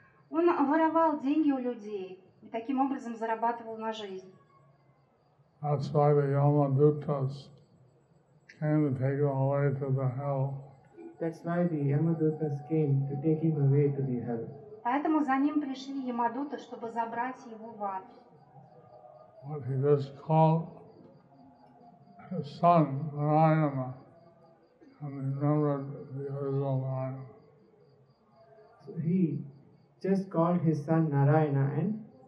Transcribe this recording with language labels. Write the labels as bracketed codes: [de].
[ru] Он воровал деньги у людей и таким образом зарабатывал на жизнь. [en] That's why the Yamadutas came to take him away to the hell. That's why the Yamadutas came to take him away to the hell. [ru] Поэтому за ним пришли Ямадуты, чтобы забрать его в ад. [en] But he just called his son Narayana, and he remembered the original Narayana. So he just called his son Narayana and